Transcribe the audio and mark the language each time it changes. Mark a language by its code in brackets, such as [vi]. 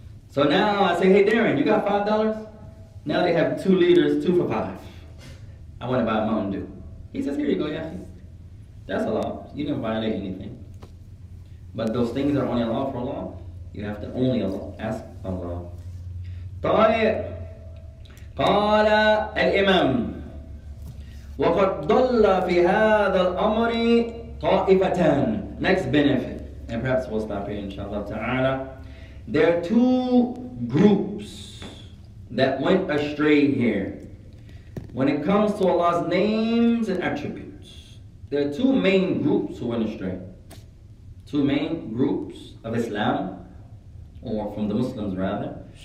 [en] So now I say, hey Darren, you got $5? Now they have 2 liters, 2 for 5. I want to buy a Mountain Dew. He says, here you go, Yahi. That's allowed. You didn't violate anything. But those things are only allowed for Allah. You have to only ask Allah. [ar] طيب قال الإمام وقد ضل في هذا الأمر طائفتان. [en] Next benefit. And perhaps we'll stop here inshallah ta'ala. There are two groups that went astray here when it comes to Allah's names and attributes. There are two main groups who went astray. Two main groups of Islam, or from the Muslims rather.